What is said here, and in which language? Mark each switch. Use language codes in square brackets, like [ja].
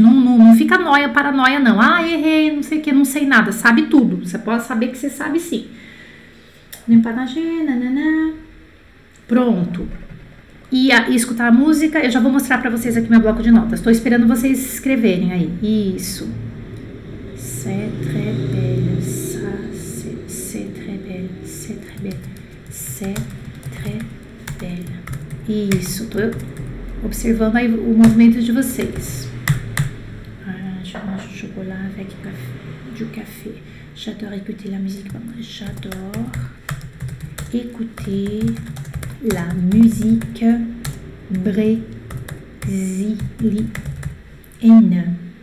[pt] Não, não, não fica noia, paranoia, não. Ah, errei, não sei o quê, não sei nada. Sabe tudo. Você pode saber que você sabe, sim. Limpar na agenda, nanã. Pronto. E escutar a música, eu já vou mostrar para vocês aqui meu bloco de notas. Estou esperando vocês escreverem aí. Isso. [fr] C'est très belle, ça, c'est très belle, c'est très belle, c'est très belle. [pt] Isso, estou observando aí o movimento de vocês. [fr] Ah, je mange chocolat avec du café. J'adore écouter la musique. J'adore écouter... La musique brésilienne.